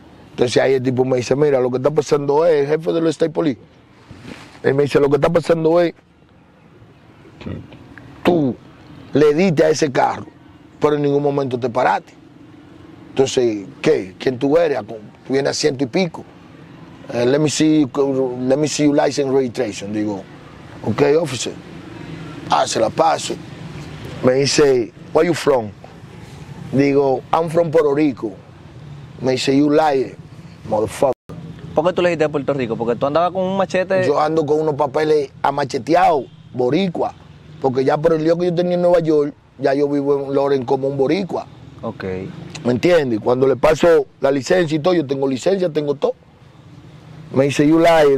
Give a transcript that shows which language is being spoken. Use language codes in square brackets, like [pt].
[es] Entonces ahí el tipo me dice, mira, lo que está pasando es, el jefe de los State Police. Él me dice, lo que está pasando es, tú le diste a ese carro, pero en ningún momento te paraste. Entonces, ¿qué? ¿Quién tú eres? Tú vienes a ciento y pico. [en] Let me see your license registration. [es] Digo, [en] ok, officer. [es] Ah, se la paso. Me dice, [en] where are you from? [es] Digo, [en] I'm from Puerto Rico. [es] Me dice, [en] you liar, motherfucker. [es] ¿Por qué tú le dijiste de Puerto Rico? Porque tú andabas con un machete. Yo ando con unos papeles amacheteados, boricua. Porque ya por el lío que yo tenía en Nueva York, ya yo vivo en Lawrence como un boricua. Ok. ¿Me entiendes? Cuando le paso la licencia y todo, yo tengo licencia, tengo todo. Me dice, [en] you lie.